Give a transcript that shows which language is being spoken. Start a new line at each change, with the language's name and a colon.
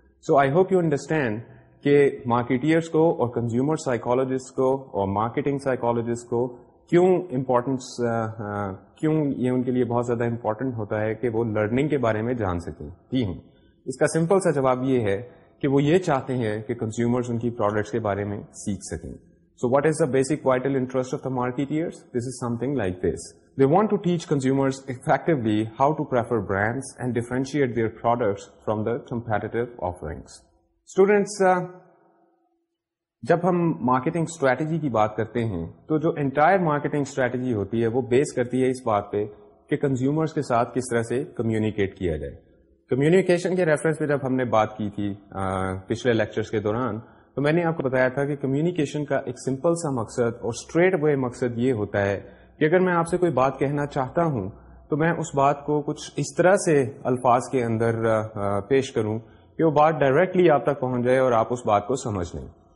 English: so I hope you understand
Urdu: کہ marketers کو اور کنزیومر سائیکالوجسٹ کو اور مارکیٹنگ سائیکالوجسٹ کو کیوں یہ ان کے لیے بہت زیادہ امپورٹنٹ ہوتا ہے کہ وہ لرننگ کے بارے میں جان سکیں. جی ہوں, اس کا سمپل سا جواب یہ ہے کہ وہ یہ چاہتے ہیں کہ کنزیومرز ان کی پروڈکٹس کے بارے میں سیکھ سکیں.
English: So what is the basic vital interest of the marketers? This is something like this. They want to teach consumers effectively how to prefer brands and differentiate their products from the competitive offerings.
Urdu: Students جب ہم marketing strategy کی بات کرتے ہیں تو جو entire marketing strategy ہوتی ہے وہ بیس کرتی ہے اس بات پہ کہ کنزیومرز کے ساتھ کس طرح سے کمیونیکیٹ کیا جائے. کمیونیکیشن کے ریفرنس پہ جب ہم نے بات کی تھی پچھلے لیکچرز کے دوران, تو میں نے آپ کو بتایا تھا کہ کمیونیکیشن کا ایک سمپل سا مقصد اور اسٹریٹ وے مقصد یہ ہوتا ہے کہ اگر میں آپ سے کوئی بات کہنا چاہتا ہوں تو میں اس بات کو کچھ اس طرح سے الفاظ کے اندر پیش کروں کہ وہ بات ڈائریکٹلی آپ تک پہنچ جائے اور آپ اس بات کو سمجھ لیں.